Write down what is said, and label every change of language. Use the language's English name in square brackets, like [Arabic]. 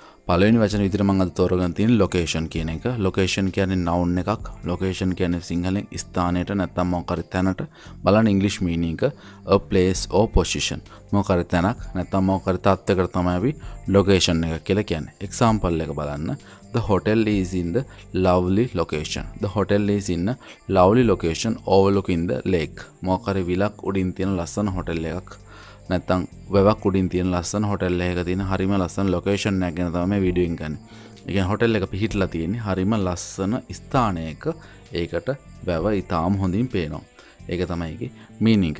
[Sinhala] පළවෙනි වචන විදිහට මම අද තෝරගන්න තියෙන ලොකේෂන් කියන එක. ලොකේෂන් කියන්නේ නවුන් එකක්. ලොකේෂන් කියන්නේ සිංහලෙන් ස්ථානයට නැත්නම් මොකක්රි තැනට. බලන්න ඉංග්‍රීසි මීනින් එක. [English] A place or position. [Sinhala] මොකක්රි තැනක් නැත්නම් මොකක්රි තත්ත්වයකට තමයි අපි ලොකේෂන් එක කියලා කියන්නේ. එක්සැම්පල් එක බලන්න. [English] The hotel is in the lovely location. The hotel is in a lovely location overlooking the lake. [Sinhala] මොකක්රි විලක් උඩින් තියෙන ලස්සන හෝටල් එකක්. නැත්තම් වැවක් උඩින් තියෙන ලස්සන හෝටල් එකක තියෙන හරිම ලස්සන ලොකේෂන් එකක් ගැන තමයි මේ වීඩියෝ එක ගන්නේ. ඒ කියන්නේ හෝටල් එක පිහිටලා තියෙන්නේ හරිම ලස්සන ස්ථානයක. ඒකට වැව ඉතාම හොඳින් පේනවා. ඒක තමයි ඒකේ මීනින්ග්.